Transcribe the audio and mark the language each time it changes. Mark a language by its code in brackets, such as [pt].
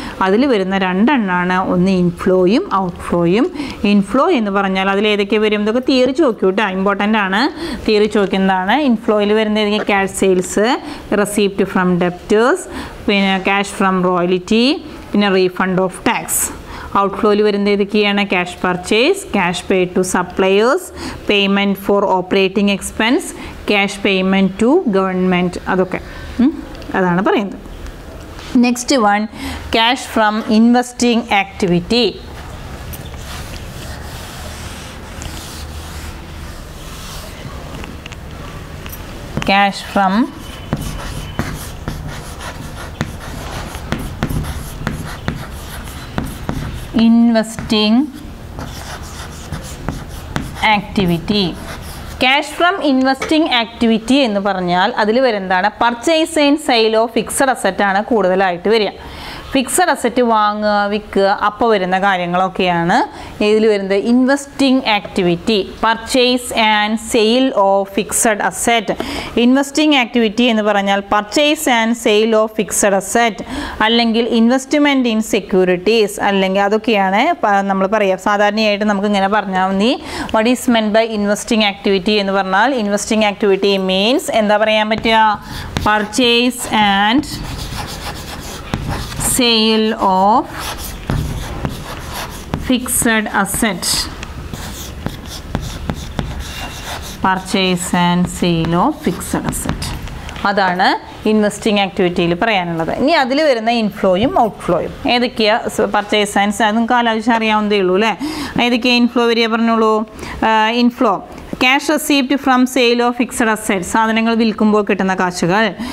[ml] അതിൽ വരുന്ന രണ്ടെണ്ണമാണ് ഒന്ന് ഇൻഫ്ലോയും ഔട്ട്ഫ്ലോയും. ഇൻഫ്ലോ എന്ന് പറഞ്ഞാൽ അതിലേതൊക്കെ വരും, ഇതൊക്കെ തിയറി ചോദിക്കൂ കേട്ടോ, ഇമ്പോർട്ടൻ്റ് ആണ്. തിയറി ചോദിക്കുന്നതാണ് ഇൻഫ്ലോയിൽ വരുന്ന ഏതെങ്കിലും cash sales, receipt [en] from debtors, cash from royalty, പിന്നെ refund of tax. [ml] Outflow ൽ വരുന്നത് ഏതൊക്കെയാണ്? [en] Cash purchase, cash paid to suppliers, payment for operating expense, cash payment to government. [ml] അതൊക്കെ അതാണ് പറയുന്നത്. [en] Next one, cash from investing activity. Cash from investing activity. [ml] Cash from investing activity എന്ന് പറഞ്ഞാൽ അതിൽ വരുന്നതാണ് purchase and sale of fixed asset ആണ് കൂടുതലായിട്ട് വരിക. ഫിക്സഡ് അസറ്റ് വാങ്ങുക വിൽക്കുക അപ്പോൾ വരുന്ന കാര്യങ്ങളൊക്കെയാണ് ഇതിൽ വരുന്നത്. [en] Investing activity, purchase and sale of fixed asset. [ml] Investing activity എന്ന് പറഞ്ഞാൽ purchase and sale of fixed asset അല്ലെങ്കിൽ ഇൻവെസ്റ്റ്മെൻറ്റ് ഇൻ സെക്യൂരിറ്റീസ് അല്ലെങ്കിൽ അതൊക്കെയാണ് നമ്മൾ പറയുക. സാധാരണയായിട്ട് നമുക്ക് ഇങ്ങനെ പറഞ്ഞാൽ മതി, [en] what is meant by investing activity [ml] എന്ന് പറഞ്ഞാൽ ഇൻവെസ്റ്റിംഗ് ആക്ടിവിറ്റി മീൻസ് എന്താ പറയാൻ പറ്റുക? [en] Purchase and sale of fixed asset, purchase and sale of fixed asset. [ml] അതാണ് ഇൻവെസ്റ്റിംഗ് ആക്ടിവിറ്റിയിൽ പറയാനുള്ളത്. ഇനി അതിൽ വരുന്ന ഇൻഫ്ലോയും ഔട്ട്ഫ്ലോയും ഏതൊക്കെയാണ്? പർച്ചേസ് ആൻഡ് സെയിൽ നിങ്ങൾക്ക് ആലോചിച്ച് അറിയാവുന്നതേ ഉള്ളൂ അല്ലേ. ഏതൊക്കെയാണ് ഇൻഫ്ലോ വരിക പറഞ്ഞോളൂ. [en] inflow, cash receipt from sale of fixed asset, [ml] സാധനങ്ങൾ വിൽക്കുമ്പോൾ കിട്ടുന്ന കാശുകൾ.